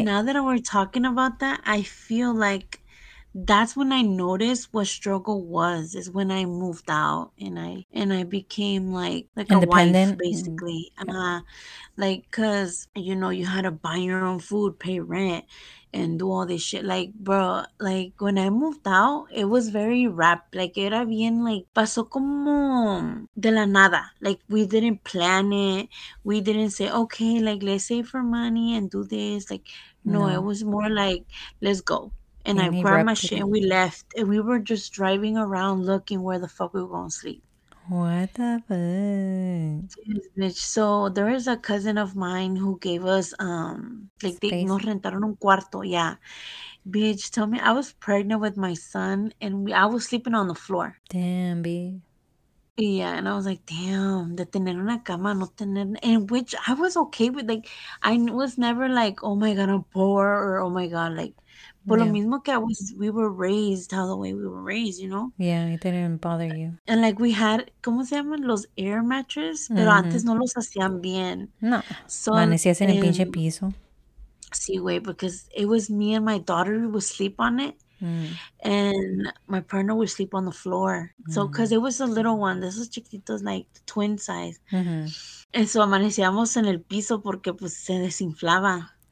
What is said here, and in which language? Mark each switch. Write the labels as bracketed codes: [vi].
[en] And now that we're talking about that, I feel like that's when I noticed what struggle was, is when I moved out and I became like independent, a wife, basically. Like, because, you know, you had to buy your own food, pay rent, and do all this shit. Like, bro, like, when I moved out, it was very rapid. [es] Like, era bien, like, pasó como de la nada. [en] Like, we didn't plan it. We didn't say, okay, like, let's save for money and do this. Like, no. It was more like, let's go. And I grabbed my shit and we left. And we were just driving around looking where the fuck we were going to sleep. What the fuck? So there is a cousin of mine who gave us, like, space. They [es] nos rentaron un cuarto. [en] Yeah. Bitch, tell me, I was pregnant with my son and I was sleeping on the floor. Damn, B. Yeah, and I was like, damn, [es] de tener una cama, no tener, [en] and which I was okay with. Like, I was never like, oh my God, I'm poor, or oh my God, like, but [es] lo mismo que [en] we were raised, how the way we were raised, you know? Yeah, it didn't bother you. And like, we had, [es] ¿cómo se llaman? Los [en] air mattress, [es] pero antes no los hacían bien. No, so, amanecías en el pinche piso. Sí, güey, [en] because it was me and my daughter who would sleep on it. And my partner would sleep on the floor. So, because it was a little one. This was chiquitos, like twin size. [es] And so, amanecíamos en el piso porque pues se desinflaba.